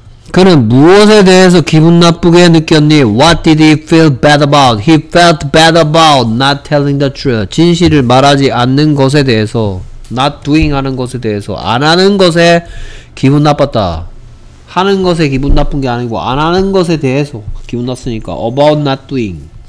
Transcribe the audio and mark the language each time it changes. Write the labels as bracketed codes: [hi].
[ko] 그는 무엇에 대해서 기분 나쁘게 느꼈니? [en] What did he feel bad about? He felt bad about not telling the truth. [ko] 진실을 말하지 않는 것에 대해서. [en] Not doing [ko] 하는 것에 대해서 안 하는 것에 기분 나빴다. 하는 것에 기분 나쁜 게 아니고 안 하는 것에 대해서 기분 났으니까 [en] about not doing.